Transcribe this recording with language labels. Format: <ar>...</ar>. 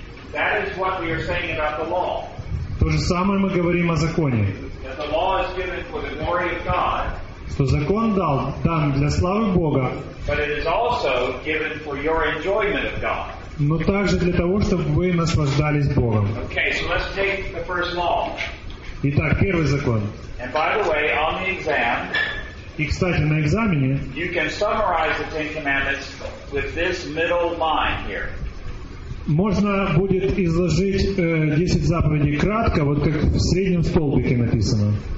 <en>That is what we are saying about the law.</en> <ru>То же самое мы говорим о законе.</ru> <en>That the law is given for the glory of God.</en> <ru>что закон дан для славы Бога,</ru> <en>but it is also given for your enjoyment of God.</en> <ru>Но также для того, чтобы вы наслаждались Богом.</ru> <en>Okay, so let's take the first law.</en> <ru>Итак, первый закон.</ru> <en>And by the way, on the exam,</en> <ru>и, кстати, на экзамене</ru> <en>you can summarize the Ten Commandments with this middle line here.</en> <ru>Можно будет изложить 10 заповедей кратко, вот как в среднем столбике написано.</ru>